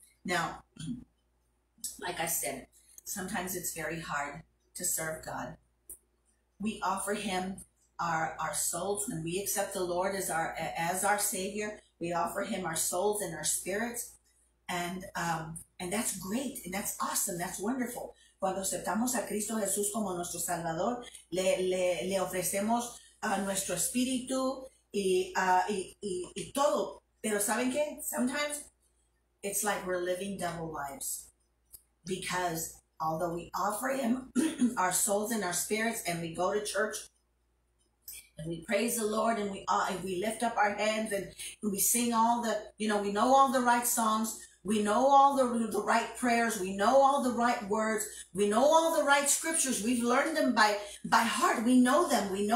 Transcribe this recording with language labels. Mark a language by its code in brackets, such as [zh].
[en] Now, like I said, sometimes it's very hard to serve God. We offer him our souls when we accept the Lord as our Savior. We offer him our souls and our spirits. And that's great. And that's awesome. That's wonderful. [es] Cuando aceptamos a Cristo Jesús como nuestro Salvador, le ofrecemos nuestro espíritu y todo. Pero ¿saben qué? [en] Sometimes it's like we're living double lives, because although we offer him our souls and our spirits, and we go to church and we praise the Lord, and we lift up our hands and we sing all the, you know, we know all the right songs, we know all the right prayers, we know all the right words, we know all the right scriptures, we've learned them by heart, we know them.